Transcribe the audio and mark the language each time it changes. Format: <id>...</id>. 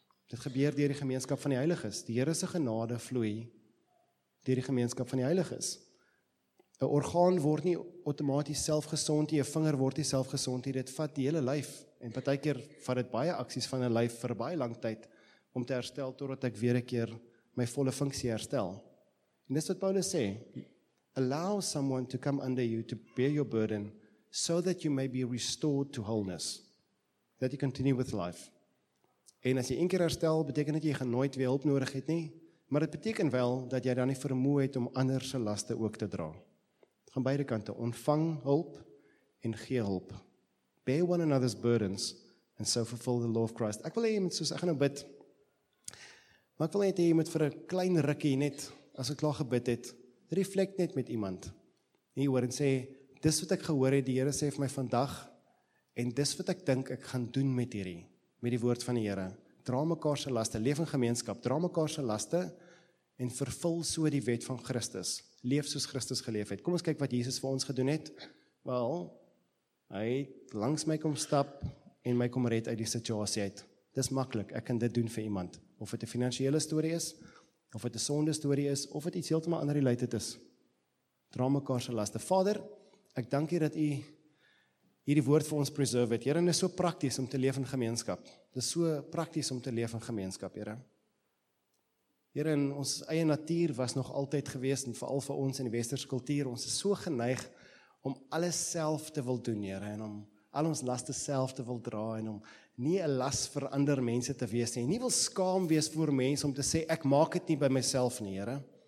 <af>Dit gebeur deur die gemeenskap van die heiliges. Die Here se genade vloei deur die gemeenskap van die heiliges. 'N Orgaan word nie outomaties self gesond nie. 'N Vinger word nie self gesond nie. Dit vat die hele lyf en partykeer vat dit baie aksies van 'n lyf vir baie lang tyd om te herstel totdat ek weer 'n keer my volle funksie herstel. En dis wat Paulus sê,</af> <en>allow someone to come under you to bear your burden so that you may be restored to wholeness, that you continue with life.</en> <af>En as jy een keer herstel, beteken dat jy gaan nooit weer hulp nodig het nie, maar dit beteken wel dat jy dan nie vermoe het om ander se laste ook te dra. Gaan beide kante, ontvang hulp en gee hulp.</af> <en>Bear one another's burdens and so fulfill the law of Christ.</en> <af>Ek wil hê met soos, ek gaan nou bid, maar ek wil net hê jy moet vir 'n klein rukkie net, as ek klaar gebid het, reflect net met iemand. Nie hoor en sê, dis wat ek gehoor het, die Here sê vir my vandag, en dis wat ek dink ek gaan doen met hierdie, met die woord van die Here. Dra mekaar se laste, leef in gemeenskap, dra mekaar se laste, en vervul so die wet van Christus. Leef soos Christus geleef het. Kom ons kyk wat Jesus vir ons gedoen het. Wel, hy het langs my kom stap, en my kom red uit die situasie uit. Dis makkelijk, ek kan dit doen vir iemand. Of het 'n finansiële storie is, of het 'n sonde storie is, of het iets heeltemal ander related is. Dra mekaar se laste. Vader, ek dank U dat U hierdie woord vir ons preserve het. Here, dit is so prakties om te leef in gemeenskap. Dit is so prakties om te leef in gemeenskap, Here. Here, in ons eie natuur was nog altyd gewees, en veral vir ons in die westerse kultuur, ons is so geneig om alles self te wil doen, Here, en om al ons laste self te wil dra, en om nie 'n las vir ander mense te wees nie, nie wil skaam wees voor mense om te sê, ek maak het nie by myself nie, Here.</af>